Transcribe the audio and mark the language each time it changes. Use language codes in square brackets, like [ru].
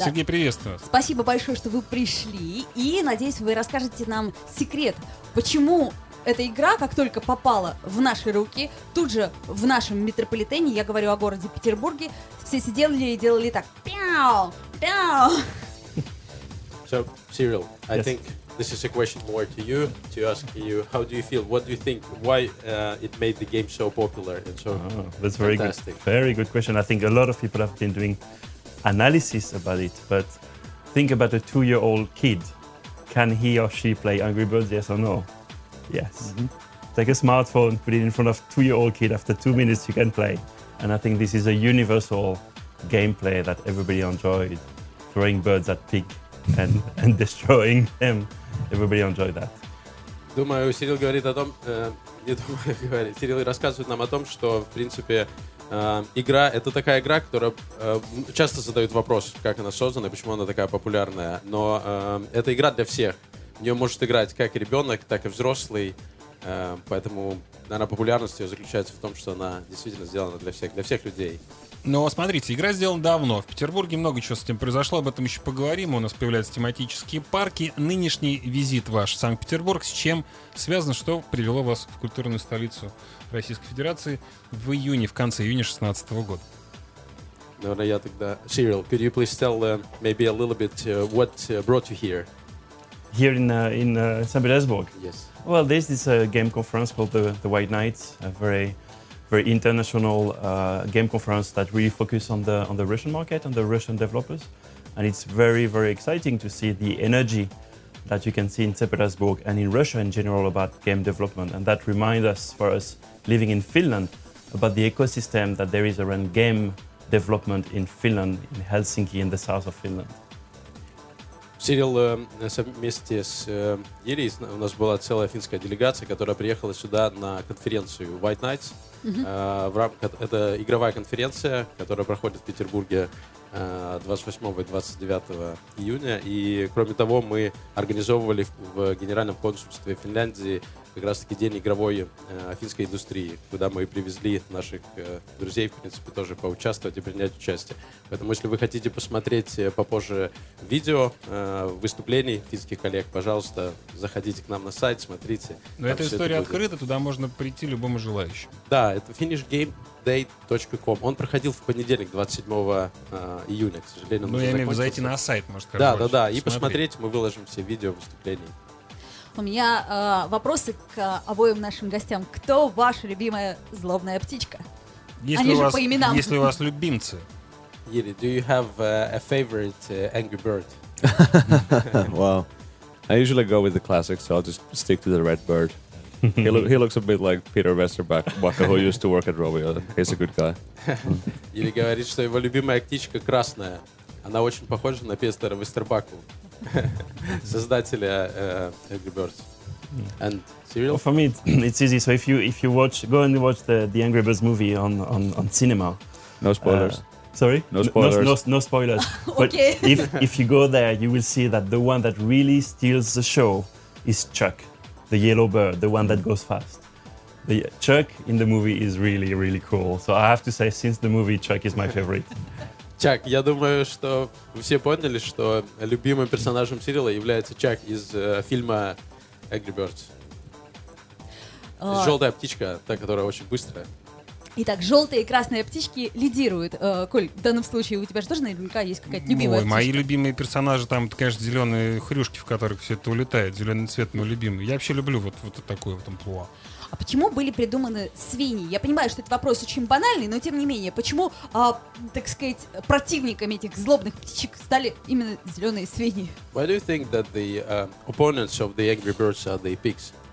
[ru] Да. Сергей, приветствую. Спасибо большое, что вы пришли. И надеюсь, вы расскажете нам секрет, почему... Эта игра, как только попала в наши руки, тут же в нашем метрополитене, я говорю о городе Петербурге, все сидели и делали так. Пяу! Пяу! [en] So, Cyril, I think this is a question more to you, to ask you, how do you feel? What do you think? Why it made the game so popular and so That's very fantastic. Good. Very good question. I think a lot of people have been doing analysis about it, but think about a two-year-old kid. Can he or she play Angry Birds, yes or no? Yes. Mm-hmm. Take a smartphone, put it in front of a two-year-old kid, after 2 minutes you can play. And I think this is a universal gameplay that everybody enjoyed, throwing birds at pig and destroying them. Everybody enjoyed that. [ru] Думаю, Сирил говорит о том, не думаю, говорит, Сирил рассказывает нам о том, что, в принципе, игра, это такая игра, которая часто задают вопрос, как она создана, почему она такая популярная. Но это игра для всех. В нее может играть как ребенок, так и взрослый. Поэтому, наверное, популярность ее заключается в том, что она действительно сделана для всех людей. Но смотрите, игра сделана давно. В Петербурге много чего с этим произошло. Об этом еще поговорим. У нас появляются тематические парки. Нынешний визит ваш в Санкт-Петербург. С чем связано, что привело вас в культурную столицу Российской Федерации в июне, в конце июня 2016 года? Наверное, я тогда... [en] Cyril, could you please tell maybe a little bit what brought you here? Here in St. Petersburg. Yes. Well, this is a game conference called the White Knights, a very, very international game conference that really focuses on the Russian market and the Russian developers, and it's very, very exciting to see the energy that you can see in St. Petersburg and in Russia in general about game development, and that reminds us, for us living in Finland, about the ecosystem that there is around game development in Finland, in Helsinki, in the south of Finland. [ru] Сирил, вместе с Юрией у нас была целая финская делегация, которая приехала сюда на конференцию White Knights. Это игровая конференция, которая проходит в Петербурге 28 и 29 июня. И кроме того, мы организовывали в Генеральном консульстве Финляндии как раз-таки день игровой финской индустрии, куда мы привезли наших друзей, в принципе, тоже поучаствовать и принять участие. Поэтому, если вы хотите посмотреть попозже видео выступлений финских коллег, пожалуйста, заходите к нам на сайт, смотрите. Но эта история открыта, туда можно прийти любому желающему. Да, это finishgameday.com. Он проходил в понедельник, 27 июня, к сожалению. Ну, я имею в виду зайти на сайт, может, как-то. Да, и посмотреть, мы выложим все видео выступлений. У меня вопросы к обоим нашим гостям. Кто ваша любимая злобная птичка? Если Они же по именам. Если у вас любимцы. [en] Юрий, do you have a favorite angry bird? Well, I usually go with the classics, so I'll just stick to the red bird. He looks a bit like Peter Westerbach, who used to work at Rovio. He's a good guy. [ru] Юрий говорит, что его любимая птичка красная. Она очень похожа на Петера Вестербаку. Создателя Angry Birds. [en] And Cyril? Well, for me, it's easy. So if you watch, go and watch the Angry Birds movie on cinema. No spoilers. Sorry? No spoilers. No spoilers. But okay. if you go there, you will see that the one that really steals the show is Chuck, the yellow bird, the one that goes fast. The Chuck in the movie is really, really cool. So I have to say, since the movie, Chuck is my favorite. [ru] Чак, я думаю, что вы все поняли, что любимым персонажем Сирила является Чак из фильма Angry Birds. Желтая птичка, та, которая очень быстрая. Итак, желтые и красные птички лидируют. Коль, в данном случае у тебя же тоже наверняка есть какая-то любимая птичка. Мои любимые персонажи, там, это, конечно, зеленые хрюшки, в которых все это улетает. Зеленый цвет мой любимый. Я вообще люблю вот такое вот амплуа. А почему были придуманы свиньи? Я понимаю, что этот вопрос очень банальный, но тем не менее, почему, так сказать, противниками этих злобных птичек стали именно зеленые свиньи? [en] Why do you think that the opponents of the Angry Birds are the pigs?